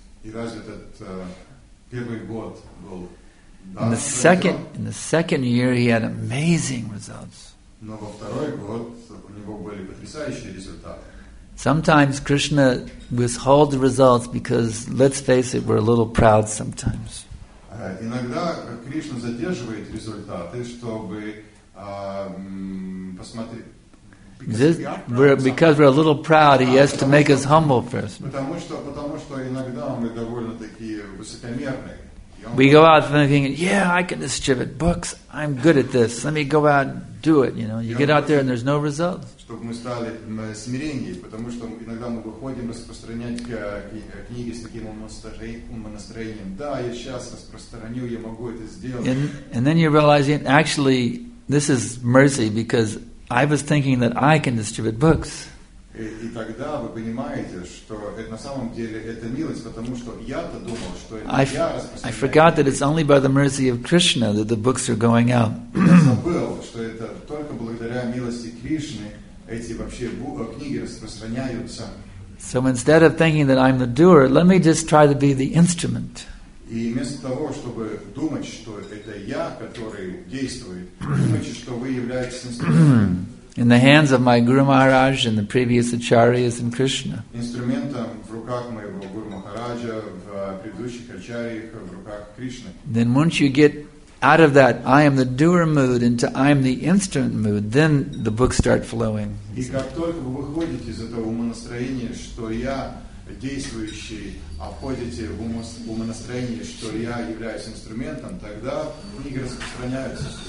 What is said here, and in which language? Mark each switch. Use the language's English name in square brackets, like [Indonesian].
[Russian] И разве этот первый год был? [English] In the second year, he had amazing results. [Russian] Но во второй год у него были потрясающие результаты. [English] Sometimes Krishna withholds results because, let's face it, we're a little proud sometimes. [Russian] Иногда Кришна задерживает результаты, чтобы посмотреть. [English] Because we're a little proud, he has to make us humble first. [Russian] Потому что иногда мы довольно такие высокомерные. [English] We go out thinking, yeah, I can distribute books, I'm good at this, let me go out and do it, you know. You get out there and there's no results. [Russian] Чтобы мы стали смиренней, потому что иногда мы выходим распространять книги с таким умонастроением. Да, я сейчас распространю, я могу это сделать. [English] And then you're realizing, actually, this is mercy, because I was thinking that I can distribute books. [Russian] И тогда вы понимаете, что это на самом деле это милость, потому что я-то думал, что это я распространяю. [English] I forgot that it's only by the mercy of Krishna that the books are going out. [Russian] Забыл, что это только благодаря милости Кришны эти вообще книги распространяются. [English] So instead of thinking that I'm the doer, let me just try to be the instrument. [Russian] И вместо того, чтобы думать, что это я, который действует, думайте, что вы являетесь инструментом. [English] In the hands of my Guru Maharaj and the previous Acharyas and Krishna. [Russian] Инструментом в руках моего Гуру Махараджа, в предыдущих Ачарьях, в руках Кришны. [English] Then once you get out of that I am the doer mood into I am the instrument mood, then the books start flowing. [Russian] И как только вы выходите из этого умонастроения, что я действующий, а входите в умонастроение, что я являюсь инструментом, тогда книги распространяются.